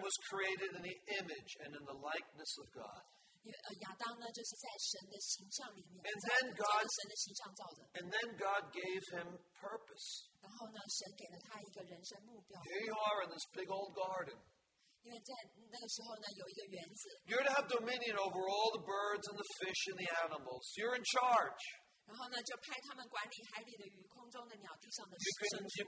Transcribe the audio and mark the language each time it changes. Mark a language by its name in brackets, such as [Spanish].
[English] was created in the image and in the likeness of God. [Chinese] 亚当呢，就是在神的形象里面。And [English] then God [Chinese] 神的形象造的。And [English] then God gave him purpose. [Chinese] 然后呢，神给了他一个人生目标。Here [English] you are in this big old garden. [Chinese] 因为在那个时候呢，有一个园子。You're [English] to have dominion over all the birds and the fish and the animals. You're in charge. [Chinese] 然后呢，就派他们管理海里的鱼、空中的鸟、地上的。You